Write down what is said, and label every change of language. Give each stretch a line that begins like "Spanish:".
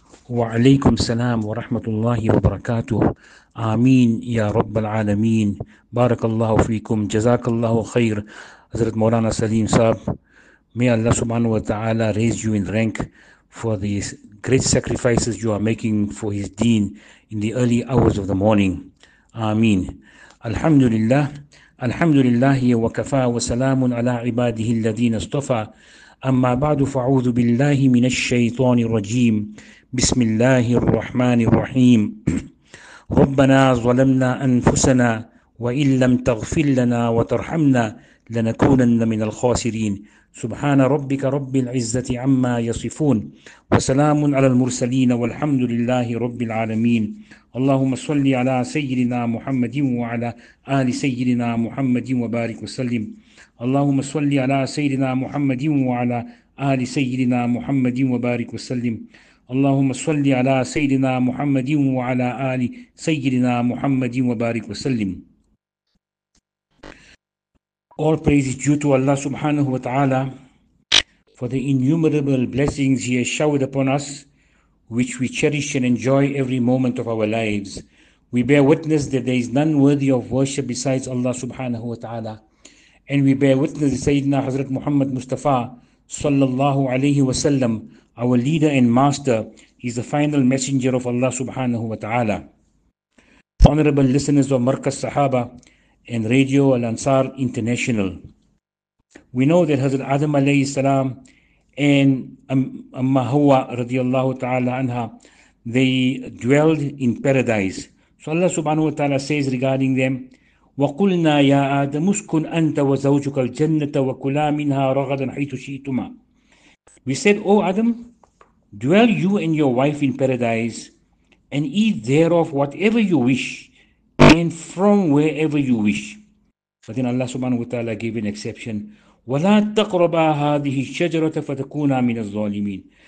Arabic: وعليكم السلام ورحمة الله وبركاته. آمين يا رب العالمين. بارك الله فيكم، جزاك الله خير.
English: Hazrat Maulana Salim Sahib, may Allah subhanahu wa ta'ala raise you in rank for the great sacrifices you are making for his deen in the early hours of the morning.
Arabic: Ameen. Alhamdulillah. Alhamdulillah wa kafa wa salamun ala ibadihi alladhina astafa. Amma ba'du fa'udhu billahi minash shaytani rajim. Bismillahir Rahmanir Rahim. Rabbana zalamna anfusana wa illam taghfir lana wa tarhamna lanakunanna minal khasirin. سبحان ربك رب العزة عما يصفون وسلام على المرسلين والحمد لله رب العالمين اللهم صل على سيدنا محمد وعلى آل سيدنا محمد وبارك وسلم اللهم صل على سيدنا محمد وعلى آل سيدنا محمد وبارك وسلم اللهم صل على سيدنا محمد وعلى آل سيدنا محمد وبارك وسلم.
English: All praise is due to Allah subhanahu wa ta'ala for the innumerable blessings He has showered upon us, which we cherish and enjoy every moment of our lives. We bear witness that there is none worthy of worship besides Allah subhanahu wa ta'ala. And we bear witness that Sayyidina Hazrat Muhammad Mustafa sallallahu alayhi wa sallam, our leader and master, is the final messenger of Allah subhanahu wa ta'ala. Honorable listeners of Markaz Sahaba and Radio Al Ansar International, we know that Hazrat Adam alayhi salam and Amma Hawa radiallahu ta'ala anha, they dwelled in paradise. So Allah subhanahu wa ta'ala says regarding them,
Arabic: وَقُلْنَا يَا آدَمُ اسْكُنْ أَنْتَ وَزَوْجُكَ الْجَنَّةَ وَكُلَا مِنْهَا رَغَدًا حَيْثُ شِئْتُمَا.
English: We said, O Adam, dwell you and your wife in paradise and eat thereof whatever you wish, and from wherever you wish. But then Allah subhanahu wa ta'ala gave an exception.
Arabic: وَلَا تَقْرَبَا هَذِهِ الشَّجَرَةَ فَتَكُونَا مِنَ الظَّالِمِينَ.